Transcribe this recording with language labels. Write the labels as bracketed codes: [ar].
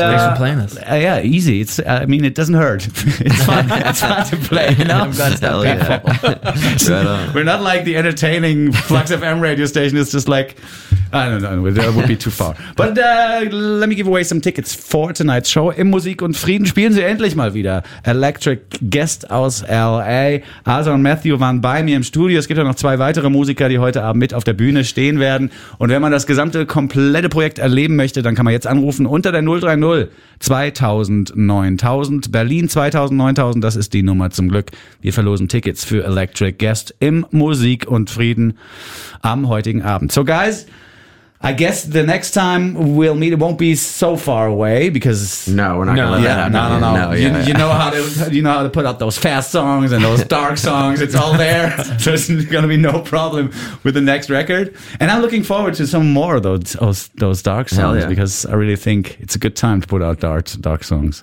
[en] Thanks for playing us. Yeah, easy. It's. I mean, it doesn't hurt. It's fun. It's fun to play. No, I'm glad to tell you. Right on. We're not like the entertaining Flux FM radio station. It's just like, I don't know. That would be too far. But let me give away some tickets for tonight's show. [de] In Musik und Frieden spielen Sie endlich mal wieder. Electric Guest aus L.A. Asa und Matthew waren bei mir im Studio. Es gibt ja noch zwei weitere Musiker, die heute Abend mit auf der Bühne stehen werden. Und wenn man das gesamte, komplette Projekt erleben möchte, dann kann man jetzt anrufen unter der 030 2000 9000. Berlin 2000 9000, das ist die Nummer zum Glück. Wir verlosen Tickets für Electric Guest im Musik und Frieden am heutigen Abend. [en] So guys, I guess the next time we'll meet, it won't be so far away because... No, we're not going to let that happen. No. You know how to put out those fast songs and those dark songs. It's all there. So it's going to be no problem with the next record. And I'm looking forward to some more of those dark songs because I really think it's a good time to put out dark songs.